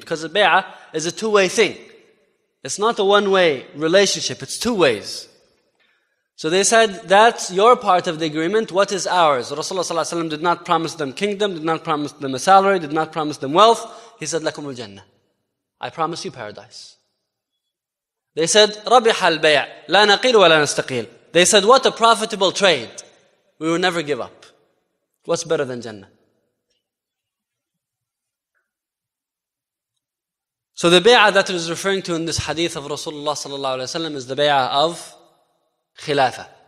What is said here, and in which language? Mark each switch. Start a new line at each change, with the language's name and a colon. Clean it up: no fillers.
English: Because the bay'ah is a two-way thing. It's not a one-way relationship, it's two ways. So they said, that's your part of the agreement, what is ours? Rasulullah ﷺ did not promise them kingdom, did not promise them a salary, did not promise them wealth. He said,
Arabic: لَكُمُ الْجَنَّةِ,
English: I promise you paradise. They said,
Arabic: رَبِحَ الْبَيْعِ لَا نَقِيلُ وَلَا نَسْتَقِيلُ.
English: They said, what a profitable trade. We will never give up. What's better than Jannah? So the bay'ah that it is referring to in this hadith of Rasulullah sallallahu alayhi wa sallam is the bay'ah of khilafah.